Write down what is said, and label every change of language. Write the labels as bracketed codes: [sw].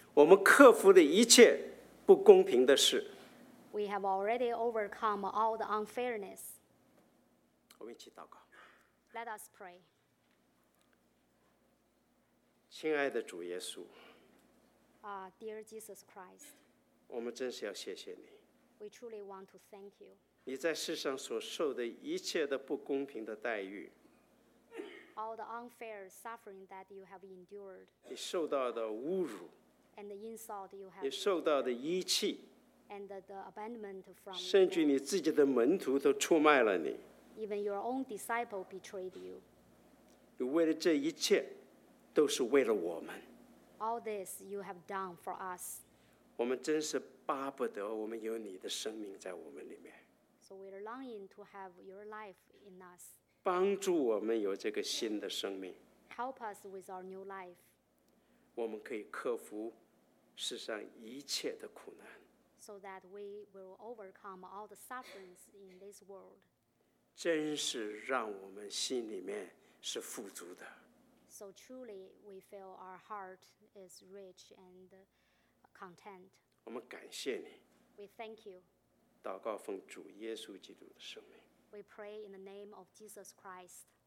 [zh] 我们克服了一切不公平的事。 [en] We have already overcome all the unfairness. [zh] 我们一起祷告。 [en] Let us pray. [zh] 亲爱的主耶稣。 [en] Dear Jesus Christ. [zh] 我们真是要谢谢你。 [en] We truly want to thank you. [zh] 你在世上所受的一切的不公平的待遇。 [en] All the unfair suffering that you have endured. [zh] 你受到的侮辱。 [en] And the insult you have. [zh] 你受到的遗弃。 [en] And the abandonment from. [zh] 甚至你自己的门徒都出卖了你。 [en] Even your own disciple betrayed you. [zh] 你为了这一切，都是为了我们。 [en] All this you have done for us. [zh] 我们真是巴不得我们有你的生命在我们里面。 [en] So we're longing to have your life in us. [zh] 帮助我们有这个新的生命。 [en] Help us with our new life. [zh] 我们可以克服世上一切的苦难。 [en] So that we will overcome all the sufferings in this world. [zh] 真是让我们心里面是富足的。 [en] So truly we feel our heart is rich and content. [zh] 我们感谢你。 [en] We thank you. [zh] 祷告奉主耶稣基督的圣名。 [en] We pray in the name of Jesus Christ.